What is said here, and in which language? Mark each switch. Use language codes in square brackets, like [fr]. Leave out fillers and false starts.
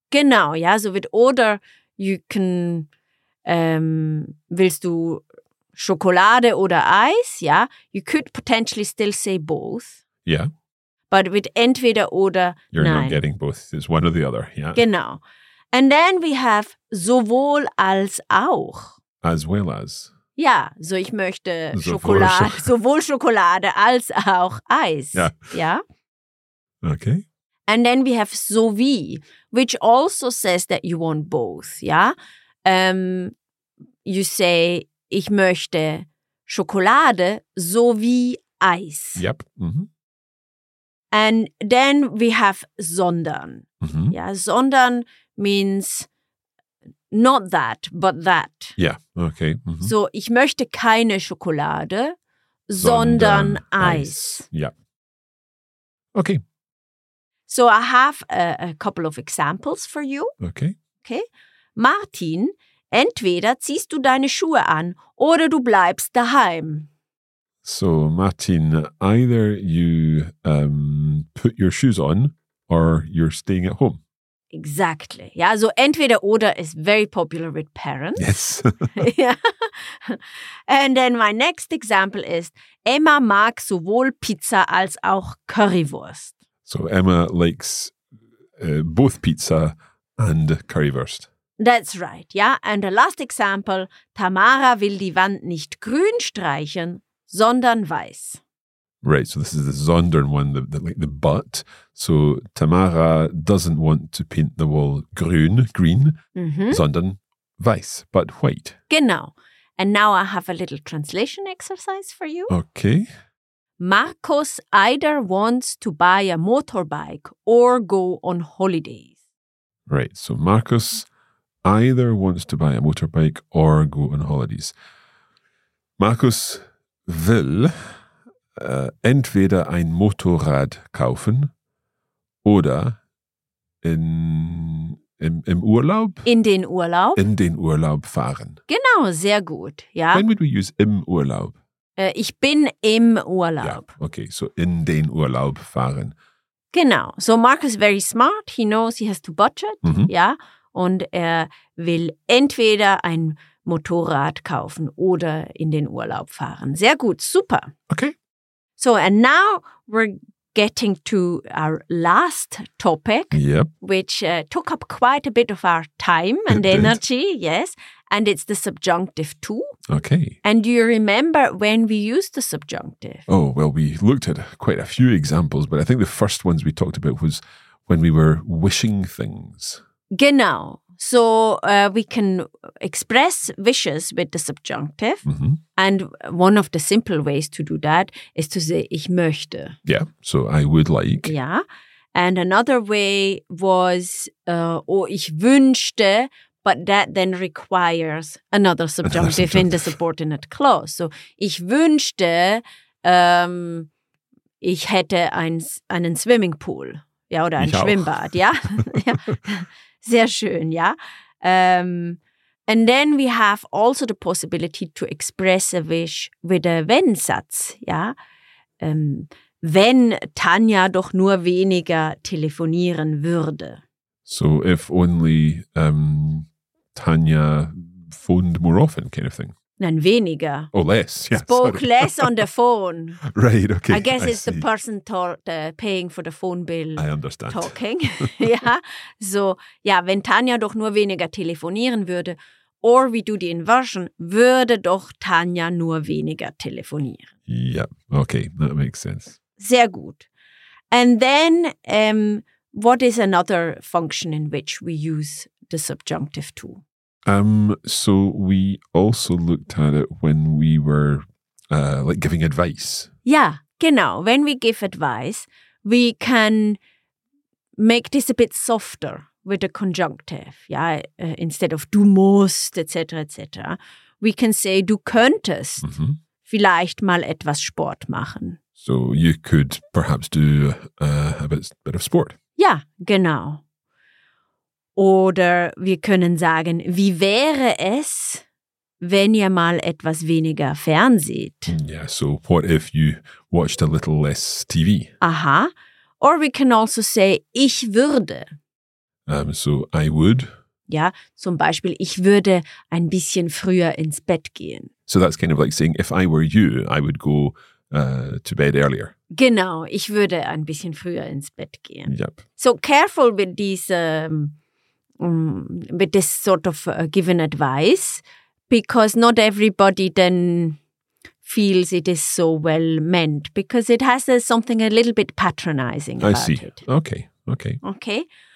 [en] Genau, yeah. So with oder, you can, [de] willst du Schokolade oder Eis, [en] yeah, you could potentially still say both. Yeah. But with entweder oder, you're [de] nein. [en] Not getting both. It's one or the other, yeah. [de] Genau. [en] And then we have sowohl als auch. As well as. [de] Yeah, so ich möchte sowohl Schokolade als auch Eis. [en] Yeah. Okay. And then we have so wie, which also says that you want both, yeah. You say, [de] ich möchte Schokolade sowie Eis. [en] Yep. Mm-hmm. And then we have sondern. Mm-hmm. Yeah, sondern means not that, but that. Yeah, okay. Mm-hmm. [de] So, ich möchte keine Schokolade, sondern Eis. [en] Yeah. Okay. So, I have a couple of examples for you. Okay. Okay. [de] Martin, entweder ziehst du deine Schuhe an oder du bleibst daheim. [en] So, Martin, either you put your shoes on or you're staying at home. Exactly. Ja, so entweder oder is very popular with parents. Yes. Yeah. And then my next example is, [de] Emma mag sowohl Pizza als auch Currywurst. [en] So Emma likes both pizza and Currywurst. That's right, yeah. And the last example, [de] Tamara will die Wand nicht grün streichen, sondern weiß. [en] Right, so this is the sondern one, the but. So Tamara doesn't want to paint the wall green, mm-hmm. [de] sondern weiß, [en] but white. [de] Genau. [en] And now I have a little translation exercise for you. Okay. Markus either wants to buy a motorbike or go on holidays. Right, so Markus either wants to buy a motorbike or go on holidays. [de] Markus will entweder ein Motorrad kaufen oder im Urlaub. In den Urlaub. In den Urlaub fahren. Genau, sehr gut. Ja. [en] When would we use im Urlaub? [de] Ich bin im Urlaub. Ja, okay, so in den Urlaub fahren. [en] Genau, so Mark is very smart. He knows he has to budget. Mhm. [de] Ja, und er will entweder ein Motorrad kaufen oder in den Urlaub fahren. Sehr gut, super. [en] Okay. So, and now we're getting to our last topic, yep, which took up quite a bit of our time and it energy, did. Yes. And it's the subjunctive too. Okay. And do you remember when we used the subjunctive? Oh, well, we looked at quite a few examples, but I think the first ones we talked about was when we were wishing things. [de] Genau. [en] So we can express wishes with the subjunctive. Mm-hmm. And one of the simple ways to do that is to say, [de] ich möchte. [en] Yeah, so I would like. Yeah. And another way was, [de] ich wünschte, [en] but that then requires another subjunctive in the subordinate clause. [de] So ich wünschte, ich hätte einen Swimmingpool. Ja, oder ein Schwimmbad. Ja. Sehr schön, ja. [en] And then we have also the possibility to express a wish with a wenn-Satz, ja. [de] Wenn Tanja doch nur weniger telefonieren würde. [en] So if only Tanja phoned more often kind of thing. [de] Nein, weniger. [en] Oh, less. Yeah, spoke sorry. Less on the phone. Right, okay. I guess it's the person paying for the phone bill. I understand. Talking. [de] Ja, so, ja, wenn Tanja doch nur weniger telefonieren würde, [en] or we do the inversion, [de] würde doch Tanja nur weniger telefonieren. [en] Ja, yeah, okay, that makes sense. [de] Sehr gut. [en] And then, what is another function in which we use the subjunctive to? So we also looked at it when we were like giving advice. Yeah, genau. When we give advice, we can make this a bit softer with a conjunctive. Yeah, instead of [de] du musst, [en] etc., etc., we can say [de] du könntest vielleicht mal etwas Sport machen. [en] So you could perhaps do a bit of sport. Yeah, genau. [de] Oder wir können sagen, wie wäre es, wenn ihr mal etwas weniger fernseht? [en] Yeah, so what if you watched a little less TV? Aha. Or we can also say, [de] ich würde. [en] So I would. [de] Ja, zum Beispiel, ich würde ein bisschen früher ins Bett gehen. [en] So that's kind of like saying, if I were you, I would go to bed earlier. [de] Genau, ich würde ein bisschen früher ins Bett gehen. [en] Yep. So careful with these... with this sort of given advice, because not everybody then feels it is so well meant, because it has something a little bit patronizing about it. I see. It. Okay. Okay. Okay.